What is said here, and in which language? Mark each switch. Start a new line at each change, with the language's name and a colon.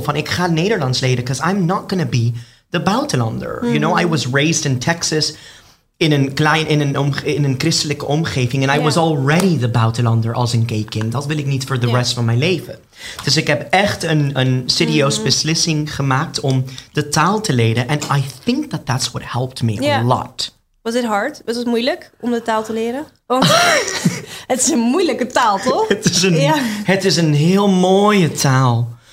Dutch: Van ik ga Nederlands leren,
English: because I'm not going to be the buitenlander. Mm-hmm. You know, I was raised in Texas
Dutch: in een christelijke omgeving. En
English: I was already the
Dutch: buitenlander als een gay kind. Dat wil ik niet voor de rest van mijn leven. Dus ik heb echt een serieus beslissing gemaakt om de taal te leren.
English: En I think that that's what helped me a lot. Was it hard?
Dutch: Was het moeilijk om de taal te leren? Want het is een moeilijke taal, toch? Het is een heel mooie taal.